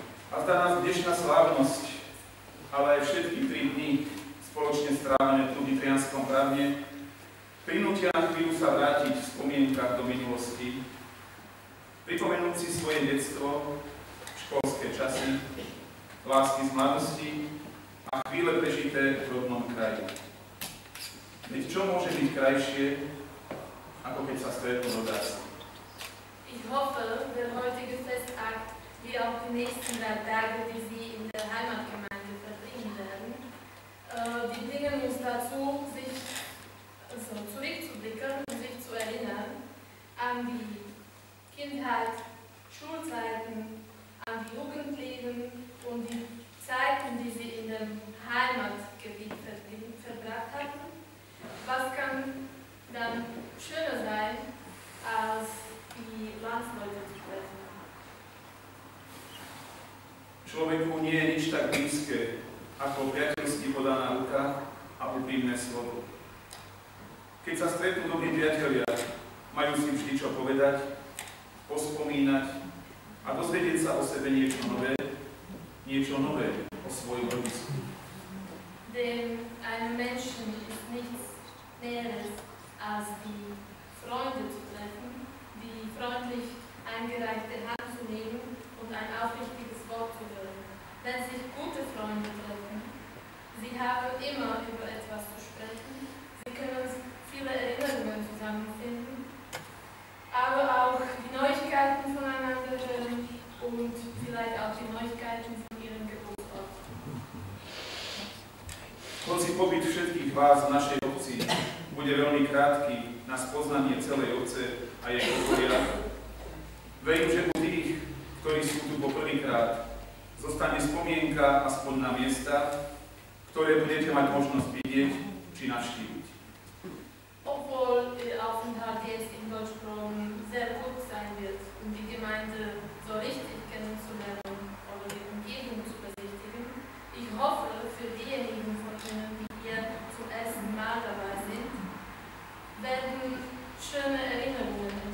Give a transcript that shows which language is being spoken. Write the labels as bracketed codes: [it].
[sk] A tá nás dnešná slávnosť, ale aj všetky tri dni spoločne strávené tu v Nitrianskom Pravne, prinútia na chvíľu sa vrátiť v spomienkach do minulosti, pripomenúť si svoje detstvo, školské časy, lásky z mladosti a chvíle prežité v rodnom kraji. Veď čo môže byť krajšie, ako keď sa stretnú rodáci? [de] Ich hoffe, der heutige Festakt, wie auch die nächsten drei Tage, die Sie in der Heimatgemeinde verbringen werden, die bringen uns dazu, sich zurückzublicken und sich zu erinnern an die Kindheit, Schulzeiten, an die Jugendleben und die Zeiten, die sie in dem Heimatgebiet verbracht hatten. Was kann dann schöner sein, als die Landsleute zu treffen? [sk] Človeku nie je nič tak blízke, ako priateľsky podaná ruka a úprimné slovo. Keď sa stretnú dobrí priatelia, majú si vždy čo povedať, pospomínať a dozvedieť sa o sebe niečo nové o svojom rodisku. [de] Dem einem Menschen ist nichts Näheres, als die Freunde zu treffen, die freundlich eingereichte Hand zu nehmen und ein aufrichtiges Wort zu hören. Wenn sich gute Freunde treffen, sie haben immer über etwas zu sprechen, sie können viele Erinnerungen zusammenfinden, aber auch die Neuigkeiten voneinander hören und vielleicht auch die Neuigkeiten von ihrem Geburtsort. [sk] Hoci pobyt všetkých vás v našej obci bude veľmi krátky na spoznanie celej obce a jej okolia, verím, že u tých, ktorí sú tu poprvýkrát, zostane spomienka aspoň na miesta, ktoré budete mať možnosť vidieť či navštíviť. [de] Obwohl der Aufenthalt jetzt in Deutschkron sehr kurz sein wird, um die Gemeinde so richtig kennenzulernen oder die Umgebung zu besichtigen, ich hoffe für diejenigen von Ihnen, die hier zum ersten Mal dabei sind, werden schöne Erinnerungen